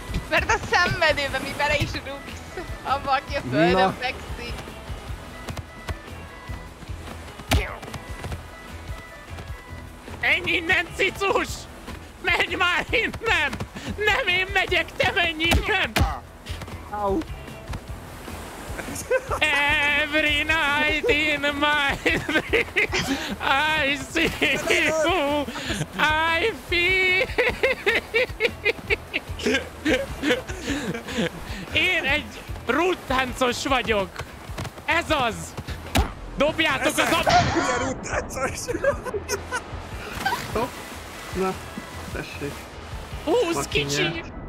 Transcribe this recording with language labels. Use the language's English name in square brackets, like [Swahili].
[Hungarian] Mert a szenvedőben mi bele is rúgsz, abba, aki a földön fekszik. Ennyi innen, cicus! Menj már innen! Nem én megyek, te menj innen! Au. [English] Every night in my dreams I see you, I feel. [Hungarian] Én egy rúdtáncos vagyok. Ez az. Dobjátok az ablakot. Ez egy rúdtáncos. Na, tessék. Húsz, kicsi!